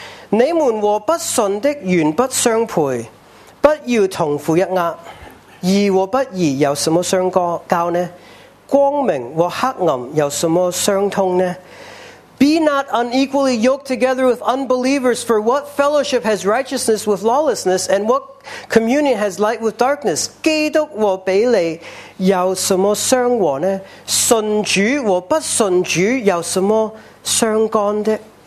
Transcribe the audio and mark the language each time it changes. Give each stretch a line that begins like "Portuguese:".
Chinese: 你们和不信的原不相配，不要同父一轭。义和不义有什么相交呢？光明和黑暗有什么相通呢？
English: Be not unequally yoked together with unbelievers, for what fellowship has righteousness with lawlessness, and what communion has light with darkness?
Chinese: 基督和比利有什么相和呢？信主和不信主有什么相干呢？